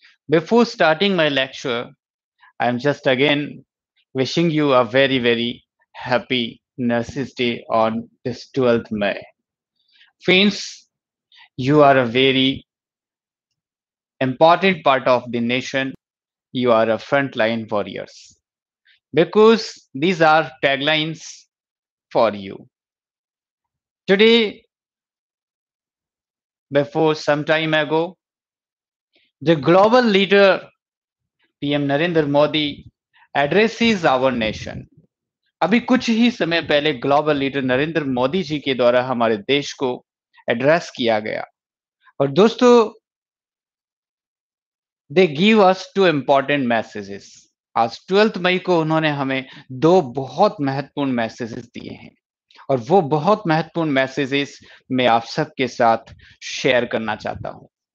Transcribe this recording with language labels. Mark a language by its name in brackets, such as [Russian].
[English] Before starting my lecture, I am just again wishing you a very very happy nurses day on this 12th May। Friends, you are a very important part of the nation. You are a frontline warriors, because these are taglines for you. Today, before some time ago, the global leader PM Narendra Modi addresses our nation. [Hindi] अभी कुछ ही समय पहले global leader Narendra Modi ji के द्वारा हमारे देश को address किया गया। और दोस्तों, [English] They give us two important messages. [Hindi] आज 12th May को उन्होंने हमें दो बहुत महत्वपूर्ण मैसेजेस दिए हैं, और वो बहुत महत्वपूर्ण मैसेजेस मैं आप सबके साथ शेयर करना चाहता हूं।